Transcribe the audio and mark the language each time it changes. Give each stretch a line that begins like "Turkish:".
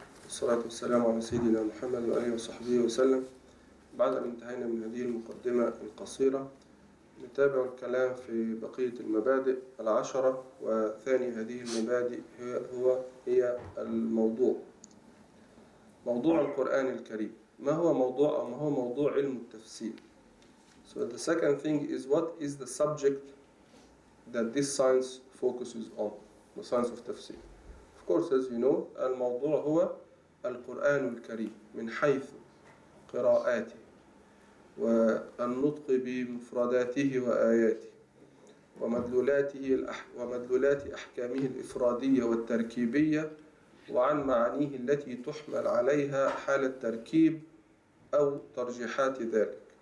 Arabic: الصلاة والسلام على سيدنا محمد وعليه وصحبه وسلم. بعد أن انتهينا من هذه المقدمة القصيرة نتابع الكلام في بقية المبادئ العشرة، وثاني هذه المبادئ هي الموضوع، موضوع القرآن الكريم. ما هو موضوع علم التفسير.
English: So the second thing is, what is the subject that this science focuses on, the science of تفسير. Of course, as you know,
Arabic: الموضوع هو القرآن الكريم من حيث قراءاته والنطق بمفرداته وآياته ومدلولات أحكامه الإفرادية والتركيبية، وعن معانيه التي تحمل عليها حال التركيب أو ترجيحات ذلك.